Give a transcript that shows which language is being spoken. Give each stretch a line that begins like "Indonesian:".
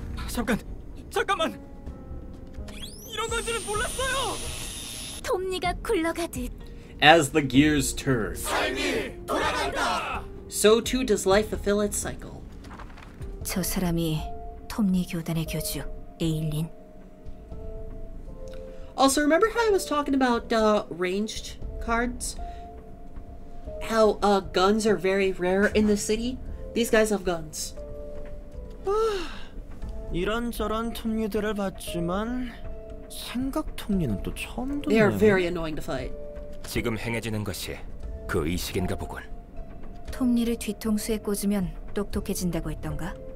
Korean: 잠깐만! 이런 건지는 몰랐어요! 톱니가 굴러가듯
English: As the gears turn,
Korean: 삶이 돌아간다!
English: So too does life fulfill its cycle.
Korean: 저 사람이 톱니 교단의 교주, 에일린.
English: Also, remember how I was talking about ranged cards? How guns are very rare in the city? These guys have guns.
Korean: 이런저런 톱니들을 봤지만 생각 톱니는 또 처음 듣네.
English: They are very annoying to fight.
Korean: 지금 행해지는 것이 그 의식인가 보군. 톱니를 뒤통수에 꽂으면 똑똑해진다고 했던가?